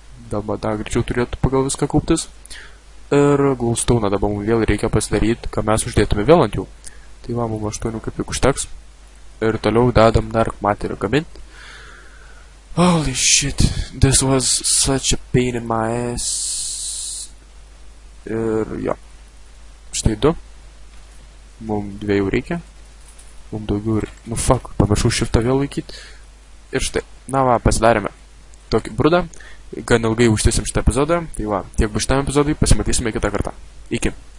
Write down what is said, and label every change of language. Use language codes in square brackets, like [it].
[lt] Dabar dar greičiau turėtų pagal viską kauptis. Ir glaustūną dabar mums vėl reikia pasidaryti, ką mes uždėtume vėl ant jų. Tai va, mums 8 kaip tik užteks. Ir toliau dedam dark matter gaminti. [en] Holy shit, this was such a pain in my ass. [lt] Ir jo. Štai 2. Mums 2 reikia. Mums daugiau ir. Nu fuck, pamiršau šiftą vėl laikyti. Ir štai, na va, pasidarėme tokį brudą, gan ilgai užtiesim šitą epizodą, tai va, tiek bus šitam epizodui, pasimatysime kitą kartą. Iki.